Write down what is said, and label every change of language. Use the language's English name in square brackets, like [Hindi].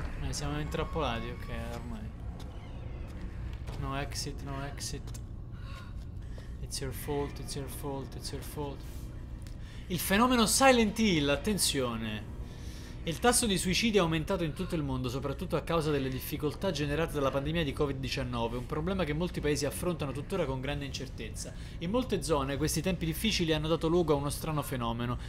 [Italian] Siamo intrappolati, ok, ormai. [English] No exit, no exit. It's your fault, it's your fault, it's your fault. [Italian] Il fenomeno Silent Hill, attenzione. Il tasso di suicidi è aumentato in tutto il mondo, soprattutto a causa delle difficoltà generate dalla pandemia di Covid-19, un problema che molti paesi affrontano tuttora con grande incertezza. In molte zone questi tempi difficili hanno dato luogo a uno strano fenomeno.